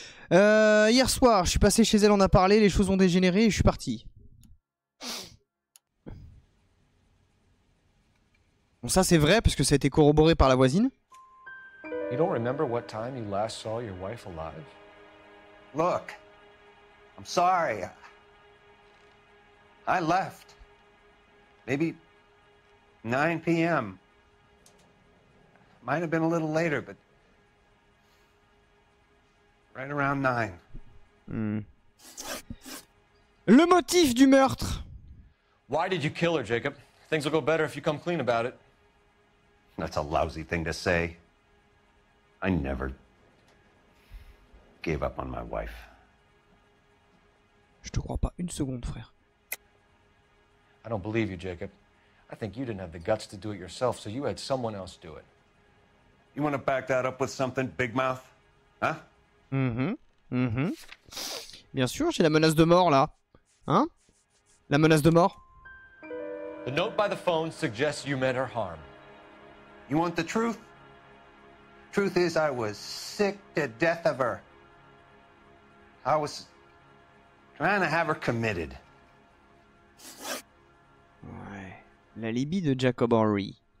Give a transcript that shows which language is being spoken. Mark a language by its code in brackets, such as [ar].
[fr] Hier soir, je suis passé chez elle, on a parlé, les choses ont dégénéré et je suis parti. Bon, ça c'est vrai, parce que ça a été corroboré par la voisine. [en] You don't remember what time you last saw your wife alive? Look, I'm sorry. I left. Maybe 9 p.m. Might have been a little later, but right around 9. [fr] Le motif du meurtre. [en] Why did you kill her, Jacob? Things will go better if you come clean about it. That's a lousy thing to say. I never gave up on my wife. [fr] Je te crois pas une seconde, frère. [en] I don't believe you, Jacob. I think you didn't have the guts to do it yourself, so you had someone else do it. You want to back that up with something, Big Mouth? Huh? Mm-hmm. [fr] Bien sûr, j'ai la menace de mort là. Hein? La menace de mort? [en] The note by the phone suggests you meant her harm. You want the truth? Truth is, I was sick to death of her. I was trying to have her committed. [fr] Ouais. L'alibi de Jacob Henry.